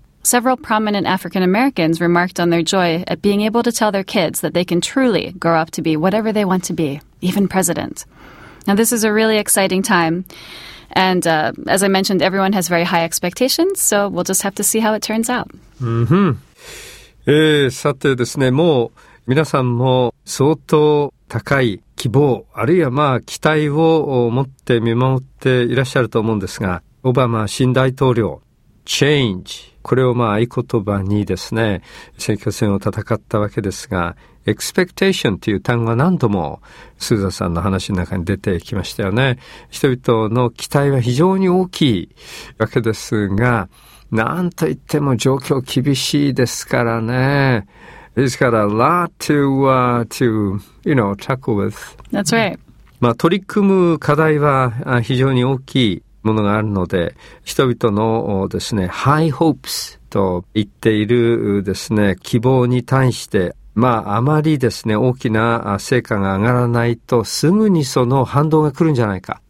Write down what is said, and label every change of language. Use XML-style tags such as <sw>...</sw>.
<en>Several prominent African Americans remarked on their joy at being able to tell their kids that they can truly grow up to be whatever they want to be, even president. Now, this is a really exciting time. And as I mentioned, everyone has very high expectations, so we'll just have to see how it turns out. Mm-hmm.</en> <ja>さてですね、もう皆さんも相当高い希望、あるいはまあ期待を持って見守っていらっしゃると思うんですが、オバマ新大統領、チェンジ、これをまあ合言葉にですね、選挙戦を戦ったわけですが、エクスペクテーションという単語が何度もスーザーさんの話の中に出てきましたよね。人々の期待は非常に大きいわけですが、なんと言っても状況厳しいですからね。</ja> <en>He's got a lot to tackle with. That's right.</en> <ja>まあ取り組む課題は非常に大きいものがあるので、人々のですね、</ja> <en>high hopes</en> <ja>と言っているですね、希望に対して、まああまりですね、大きな成果が上がらないとすぐにその反動が来るんじゃないか。</ja>